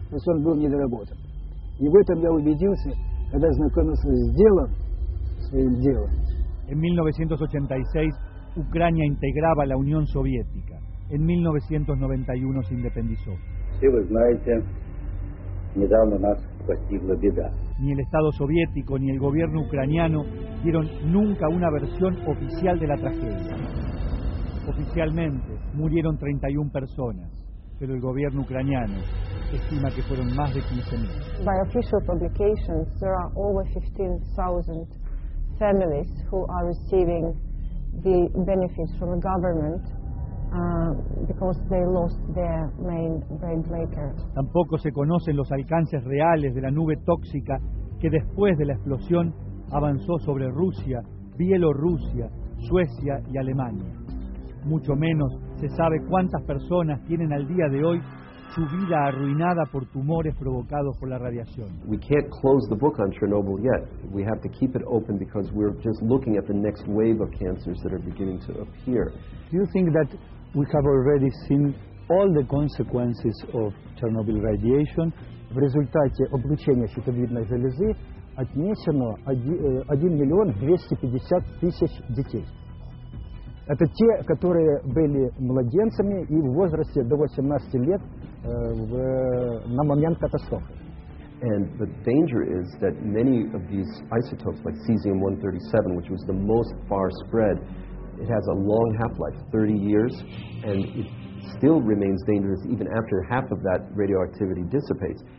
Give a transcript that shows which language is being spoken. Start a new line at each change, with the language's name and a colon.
Russian: То есть он был недоработан. И в этом я убедился, когда знакомился с делом, своим делом.
Spanish: En 1986, Ucrania integraba la Unión Soviética. En 1991 se independizó.
Russian: Все вы знаете, недавно нас постигла беда.
Spanish: Ni el Estado soviético ni el gobierno ucraniano dieron nunca una versión oficial de la tragedia. Oficialmente murieron 31 personas, pero el gobierno ucraniano estima que fueron más de 15.000.
English: By official publications, there are over 15,000 families who are receiving the benefits from the government because they lost their main breadmaker.
Spanish: Tampoco se conocen los alcances reales de la nube tóxica que después de la explosión avanzó sobre Rusia, Bielorrusia, Suecia y Alemania. Mucho menos se sabe cuántas personas tienen al día de hoy su vida arruinada por tumores provocados por la radiación.
English: We can't close the book on Chernobyl yet. We have to keep it open because we're just looking at the next wave of cancers that are beginning to appear. Do you think that we have already seen all the consequences of Chernobyl radiation?
Russian: В результате облучения щитовидной железы отнесено 1 250 000 детей. Это те, которые были младенцами и в возрасте до 18 лет на момент катастрофы.
English: And the danger is that many of these isotopes, like cesium-137, which was the most far spread, it has a long half-life, 30 years, and it still remains dangerous even after half of that radioactivity dissipates.